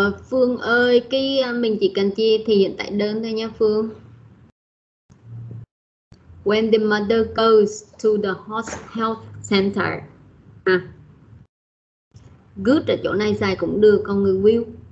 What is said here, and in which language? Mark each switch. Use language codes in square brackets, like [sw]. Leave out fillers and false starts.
[vi] Phương ơi, cái mình chỉ cần chia thì hiện tại đơn thôi nha Phương. [en] When the mother goes to the health center. À. [vi] Good ở chỗ này dài cũng được, con người will.